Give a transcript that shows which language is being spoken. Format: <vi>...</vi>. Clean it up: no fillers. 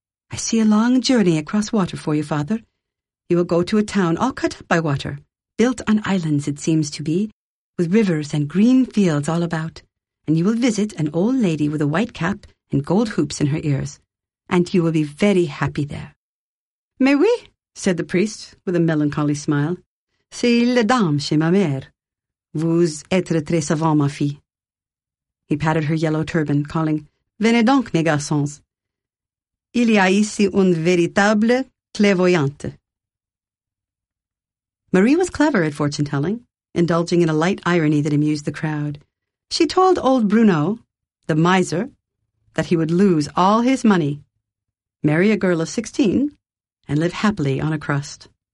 <en>"I see a long journey across water for you, Father. You will go to a town all cut up by water, built on islands, it seems to be, with rivers and green fields all about, and you will visit an old lady with a white cap and gold hoops in her ears, and you will be very happy there."</en> <fr>"Mais oui,"</fr> <en>said the priest, with a melancholy smile.</en> <fr>"C'est la dame chez ma mère. Vous êtes très savant, ma fille.</fr> <en>He patted her yellow turban, calling,</en> <fr>Venez donc, mes garçons. Il y a ici une véritable clairvoyante.</fr> <en>Marie was clever at fortune-telling, indulging in a light irony that amused the crowd. She told old Bruno, the miser, that he would lose all his money, marry a girl of 16, and live happily on a crust.</en>